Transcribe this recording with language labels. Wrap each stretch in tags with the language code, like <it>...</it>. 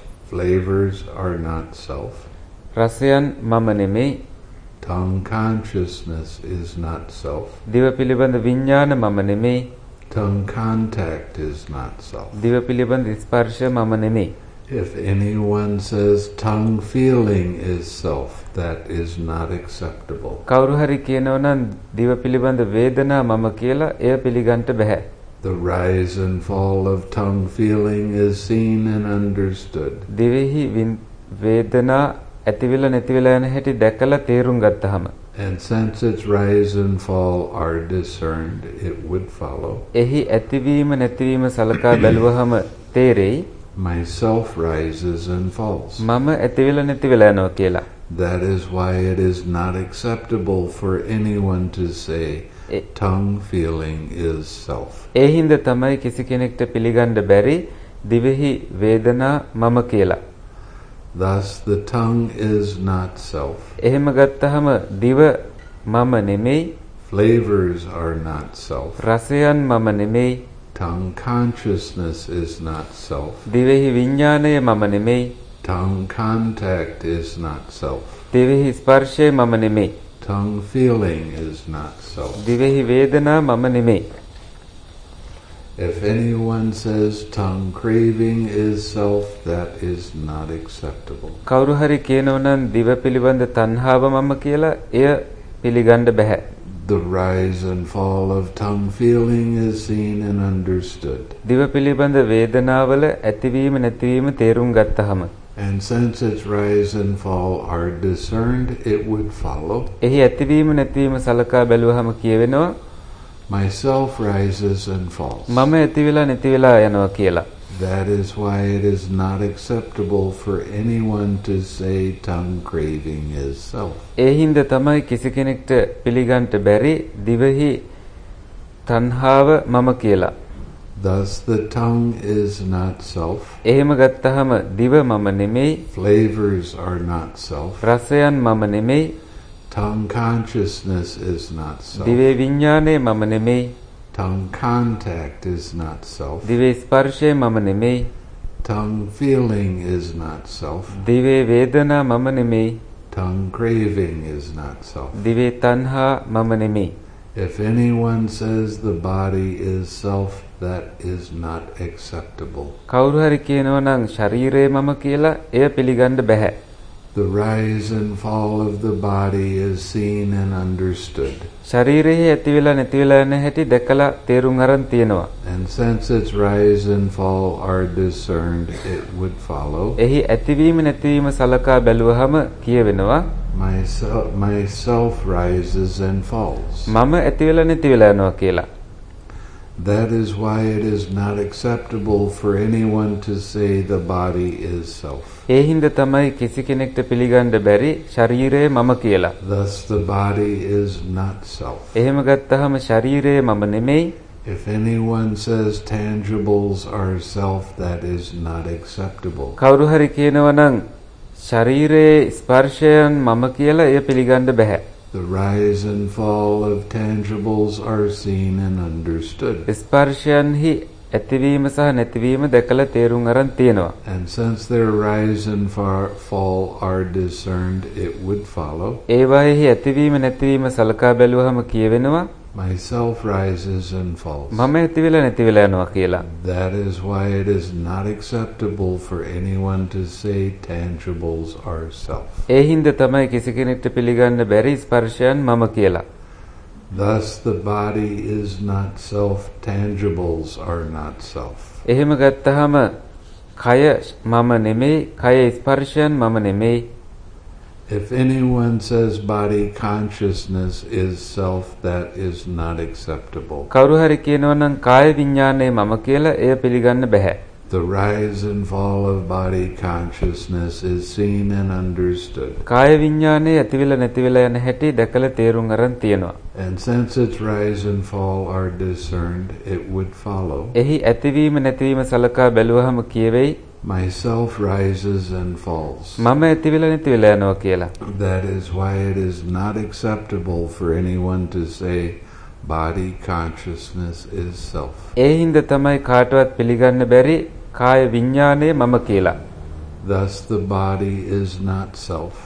<en>Flavors are not self.</en> <si>රසයන් මම නෙමෙයි.</si> <en>Tongue consciousness is not self.</en> <si>දිව පිළිබඳ විඥාන මම නෙමෙයි.</si> <en>Tongue contact is not self.</en> <si>දිව පිළිබඳ ස්පර්ශය මම නෙමෙයි.</si> <en>If anyone says tongue feeling is self, that is not acceptable.</en> <si>කවුරු හරි කියනවා නම් දිව පිළිබඳ වේදනා මම කියලා එය පිළිගන්න බෑ.</si> <en>The rise and fall of tongue feeling is seen and understood.</en> <si>Dhivehi වේදනා ඇතිවිලා නැතිවිලා යන හැටි දැකලා තේරුම් ගත්තහම.</si> <en>And since its rise and fall are discerned, it would follow.</en> <si>එහි ඇතිවීම නැතිවීම සලකා බැලුවහම තේරෙයි.</si> <en>Myself rises and falls.</en> <si>මම ඇතිවිලා නැතිවිලා යනවා කියලා.</si> <en>That is why it is not acceptable for anyone to say tongue feeling is self.</en> <si>එහිඳ තමයි කිසි කෙනෙක්ට පිළිගන්න බැරි දිවෙහි වේදනා මම කියලා.</si> <en>Thus the tongue is not self.</en> <si>එහෙම ගත්තහම දිව මම නෙමෙයි.</si> <en>Flavors are not self.</en> <si>රසයන් මම නෙමෙයි.</si> <en>Tongue consciousness is not self.</en> <si>Dhivehi විඥානය මම නෙමෙයි.</si> <en>Tongue contact is not self.</en> <si>Dhivehi ස්පර්ශය මම නෙමෙයි.</si> <en>Tongue feeling is not self.</en> <si>Dhivehi වේදනා මම නෙමෙයි.</si> <en>If anyone says tongue craving is self, that is not acceptable.</en> <si>කවුරු හරි කියනෝ නම් දිව පිළිබඳ තණ්හාව මම කියලා එය පිළිගන්න බෑ.</si> <en>The rise and fall of tongue feeling is seen and understood.</en> <si>දිව පිළිබඳ වේදනාවල ඇතිවීම නැතිවීම තේරුම් ගත්තහම.</si> <en>And since its rise and fall are discerned, it would follow.</en> <si>එහි ඇතිවීම නැතිවීම සලකා බැලුවහම කියවෙනවා.</si> <en>Myself rises and falls.</en> <si>මම ඇතිවිලා නැතිවිලා යනවා කියලා.</si> <en>That is why it is not acceptable for anyone to say tongue craving is self.</en> <si>ඒ හින්දා තමයි කිසි කෙනෙක්ට පිළිගන්න බැරි දිවෙහි තණ්හාව මම කියලා.</si> <en>Thus the tongue is not self.</en> <si>එහෙම ගත්තහම දිව මම නෙමෙයි.</si> <en>Flavors are not self.</en> <si>රසයන් මම නෙමෙයි.</si> <en>Tongue consciousness is not self.</en> <si>දිව විඥානේ මම නෙමෙයි.</si> <en>Tongue contact is not self.</en> <si>දිව ස්පර්ශය මම නෙමෙයි.</si> <en>Tongue feeling is not self.</en> <si>දිව වේදනා මම නෙමෙයි.</si> <en>Tongue craving is not self.</en> <si>දිව තණ්හා මම නෙමෙයි.</si> <en>If anyone says the body is self, that is not acceptable.</en> <si>කවුරු හරි කියනවා නම් ශරීරය මම කියලා එය පිළිගන්න බෑ.</si> <en>The rise and fall of the body is seen and understood.</en> <si>ශරීරයේ ඇතිවිලා නැතිවිලා යන හැටි දැකලා තේරුම් අරන් තියෙනවා.</si> <en>And since its rise and fall are discerned, it would follow.</en> <si>එහි ඇතිවීම නැතිවීම සලකා බැලුවහම කියවෙනවා.</si> <en>Myself rises and falls.</en> <si>මම ඇතිවිලා නැතිවිලා යනවා කියලා.</si> <en>That is why it is not acceptable for anyone to say the body is self.</en> <si>ඒ හින්දා තමයි කිසි කෙනෙක්ට පිළිගන්න බැරි ශරීරය මම කියලා.</si> <en>Thus the body is not self.</en> <si>එහෙම ගත්තහම ශරීරය මම නෙමෙයි.</si> <en>If anyone says tangibles are self, that is not acceptable.</en> <si>කවුරු හරි කියනවා නම් ශරීරයේ ස්පර්ශයන් මම කියලා එය පිළිගන්න බෑ.</si> <en>The rise and fall of tangibles are seen and understood.</en> <si>ස්පර්ශයන්හි ඇතිවීම සහ නැතිවීම දැකලා තේරුම් අරන් තියෙනවා.</si> <en>And since their rise and fall are discerned, it would follow.</en> <si>ඒවායේ ඇතිවීම නැතිවීම සලකා බැලුවහම කියවෙනවා.</si> <en>Myself rises and falls.</en> <si>මම ඇතිවිලා නැතිවිලා යනවා කියලා.</si> <en>That is why it is not acceptable for anyone to say tangibles are self.</en> <si>ඒ හින්දා තමයි කිසි කෙනෙක්ට පිළිගන්න බැරි ස්පර්ශයන් මම කියලා.</si> <en>Thus the body is not self, tangibles are not self.</en> <si>එහෙම ගත්තහම කය මම නෙමෙයි, කය ස්පර්ශයන් මම නෙමෙයි.</si> <en>If anyone says body consciousness is self, that is not acceptable.</en> <si>කවුරු හරි කියනවා නම් කාය විඥානය මම කියලා එය පිළිගන්න බෑ.</si> <en>The rise and fall of body consciousness is seen and understood.</en> <si>කාය විඥානේ ඇතිවිලා නැතිවිලා යන හැටි දැකලා තේරුම් අරන් තියෙනවා.</si> <en>And since its rise and fall are discerned, it would follow.</en> <si>එහි ඇතිවීම නැතිවීම සලකා බැලුවහම කියවෙයි.</si> <en>Myself rises and falls.</en> <si>මම ඇතිවිලා නැතිවිලා යනවා කියලා.</si> <en>That is why it is not acceptable for anyone to say body consciousness is self.</en> <si>ඒ හින්දා තමයි කාටවත් පිළිගන්න බැරි කාය විඥානය මම කියලා.</si> <en>Thus the body is not self.</en>